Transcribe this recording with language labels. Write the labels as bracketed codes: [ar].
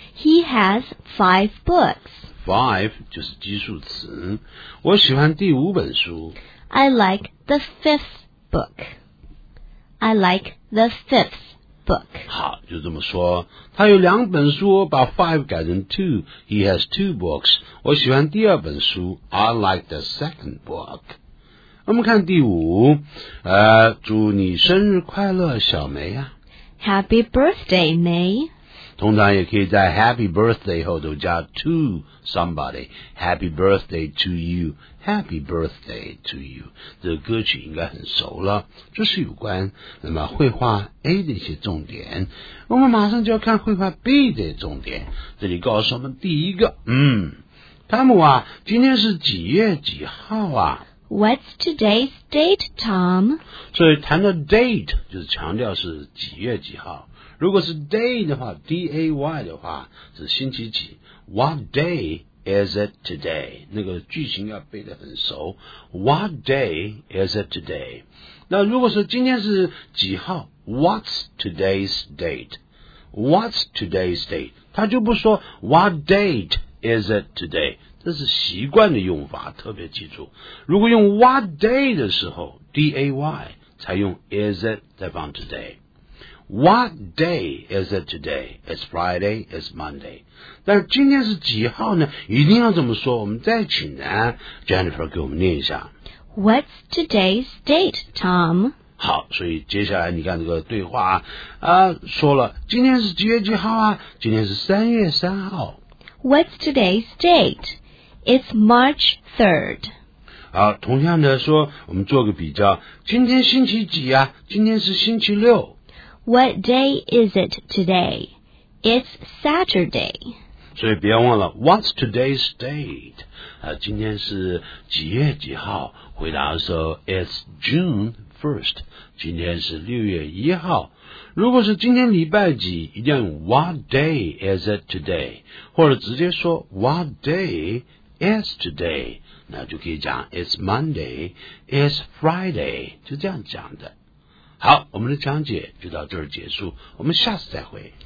[en] He has five books. [zh] Five 就是基数词。我喜欢第五本书。 [en] I like the fifth book. I like the fifth. Book. [zh] 好，就这么说。他有两本书，我把 five 改成 two。 [en] He has two books。 [zh] 我喜欢第二本书 ， [en] I like the second book。 [zh] 我们看第五，祝你生日快乐，小梅啊。 [en] Happy birthday, May. [zh] 通常也可以在 [en] Happy birthday [zh] 后头加 [en] to somebody. Happy birthday to you. Happy birthday to you. [zh] 这个歌曲应该很熟了。这是有关那么绘画 A 的一些重点。我们马上就要看绘画 B 的重点。这里告诉我们第一个，汤姆啊，今天是几月几号啊？ [en] What's today's date, Tom? [zh] 所以谈到 date 就是强调是几月几号。如果是 day 的话 ,day 的话是星期几。 [en] What day is it today? [zh] 那个句型要背得很熟。 [en] What day is it today? [zh] 那如果是今天是几号 , [en] What's today's date? What's today's date? [zh] 他就不说 [en] What date is it today? [zh] 这是习惯的用法，特别记住。如果用 what day 的时候 ,day, 才用 is it 再放 today。 [en] What day is it today? It's Friday, it's Monday. [zh] 但今天是几号呢？一定要怎么说？我们再请呢 Jennifer 给我们念一下。 [en] What's today's date, Tom? [zh] 好，所以接下来你看这个对话啊，说了今天是几月几号啊？今天是3月3号。 [en] What's today's date? It's March 3rd. [zh] 好，同样的说，我们做个比较。今天星期几啊？今天是星期六。 [en] What day is it today? It's Saturday. [zh] 所以别忘了 , [en] What's today's date?、 [zh] 今天是几月几号？回答的时候 [en] ,It's June 1st. [zh] 今天是6月1号。如果是今天礼拜几，一定要用 [en] What day is it today? [zh] 或者直接说 [en] What day is it today? It's today, [zh] 那就可以讲 [en] It's Monday, It's Friday, [zh] 就这样讲的。好，我们的讲解就到这儿结束，我们下次再会。